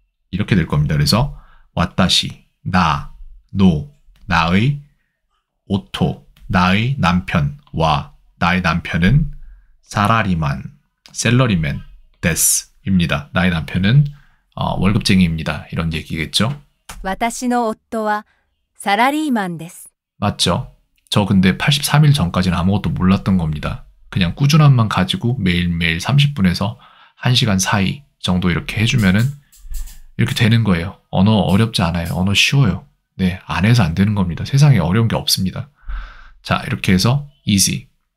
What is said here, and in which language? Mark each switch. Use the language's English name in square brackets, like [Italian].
[Korean] 이렇게 될 겁니다. 그래서, 왔다시, 나, 노, 나의 오토, 나의 남편, 와, 나의 남편은 [Japanese] 사라리만, [Korean] 샐러리맨, 데스입니다. 나의 남편은 월급쟁이입니다. 이런 얘기겠죠? [Japanese] 私の夫はサラリーマンです。 [Korean] 맞죠? 저 근데 83일 전까지는 아무것도 몰랐던 겁니다. 그냥 꾸준함만 가지고 매일매일 30분에서 1시간 사이 정도 이렇게 해주면은 이렇게 되는 거예요. 언어 어렵지 않아요. 언어 쉬워요. 네, 안 해서 안 되는 겁니다. 세상에 어려운 게 없습니다. 자, 이렇게 해서 easy.